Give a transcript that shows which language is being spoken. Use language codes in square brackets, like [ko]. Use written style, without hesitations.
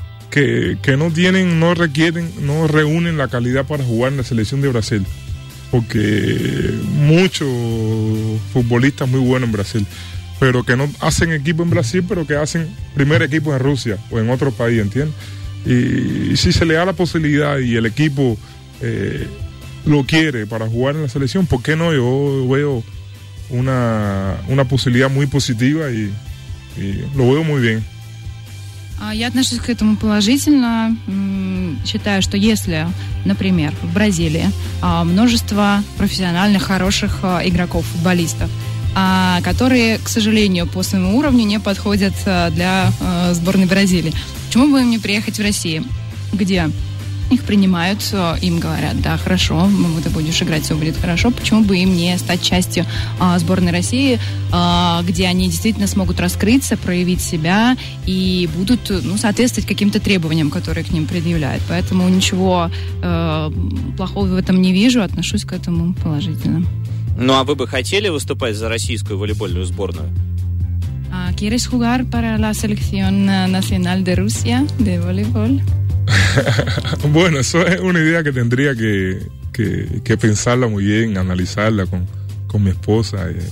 [es] Que no tienen, no requieren, no reúnen la calidad para jugar en la Selección de Brasil, porque muchos futbolistas muy buenos en Brasil, pero que no hacen equipo en Brasil, pero que hacen primer equipo en Rusia o en otro país, ¿entiendes? Y si se le da la posibilidad y el equipo lo quiere para jugar en la selección, ¿por qué no? Yo veo una posibilidad muy positiva y lo veo muy bien. [ru] Я отношусь к этому положительно. Считаю, что если, например, в Бразилии множество профессиональных, хороших игроков, футболистов, которые, к сожалению, по своему уровню не подходят для сборной Бразилии. Почему бы им не приехать в Россию, где их принимают, им говорят, да, хорошо, ты будешь играть, все будет хорошо. Почему бы им не стать частью сборной России, где они действительно смогут раскрыться, проявить себя и будут, ну, соответствовать каким-то требованиям, которые к ним предъявляют. Поэтому ничего плохого в этом не вижу, отношусь к этому положительно. Ну, а вы бы хотели выступать за российскую волейбольную сборную? [es] ¿Quieres jugar para la selección nacional de Rusia de voleibol? Bueno, eso es una idea que tendría que pensarla muy bien, analizarla con mi esposa.